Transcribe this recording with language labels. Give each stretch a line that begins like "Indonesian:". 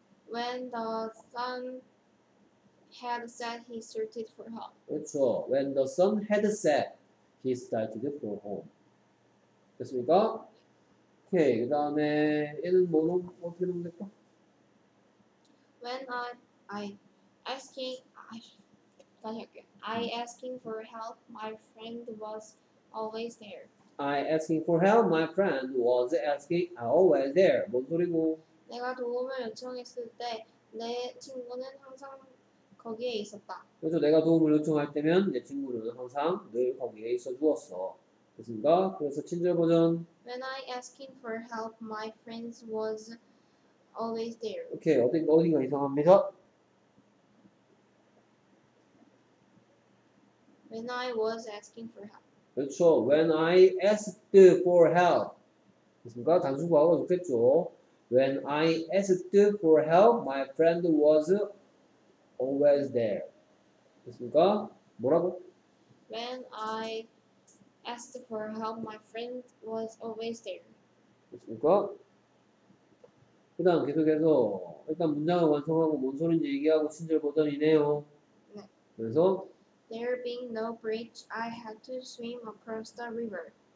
English: When the sun had set, he started for home.
Korean: 그렇죠.
English: When the sun had set, he started for home.
Korean: 됐습니까? 오케이. 그 다음에 얘는 뭐로 어떻게 하면 될까?
English: When I asking for help, my friend was always there. I asking for help, my friend was asking always there.
Korean: 뭔 소리고? 내가 도움을 요청했을 때 내 친구는 항상 거기에 있었다. 그래서 내가 도움을 요청할 때면 내 친구는 항상 늘 거기에 있어 주었어. 됐습니까? 그래서 친절 버전.
English: When I asking for help, my friend was always there.
Korean: 오케이. 어디가 이상합니다.
English: When I was asking for help.
Korean: 그렇죠.
English: When I asked for help.
Korean: 그렇습니까? 단순 과거 좋겠죠.
English: When I asked for help, my friend was always there.
Korean: 그렇습니까? 뭐라고?
English: When I asked for help, my friend was always there.
Korean: 그렇습니까? 그 다음 계속해서 일단 문장을 완성하고 뭔 소리인지 얘기하고 친절 버전이네요. 네. 그래서
English: There being no bridge, I had to swim across the river.